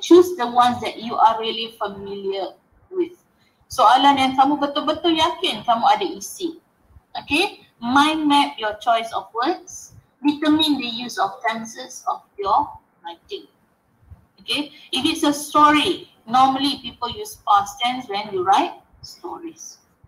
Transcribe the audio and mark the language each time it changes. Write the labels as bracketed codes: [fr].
[en] Choose the ones that you are really familiar with. [ms] Soalan yang kamu betul-betul yakin kamu ada isi. [en] Okay? Mind map your choice of words. Determine the use of tenses of your writing. Okay? If it's a story, normally people use past tense when you write stories.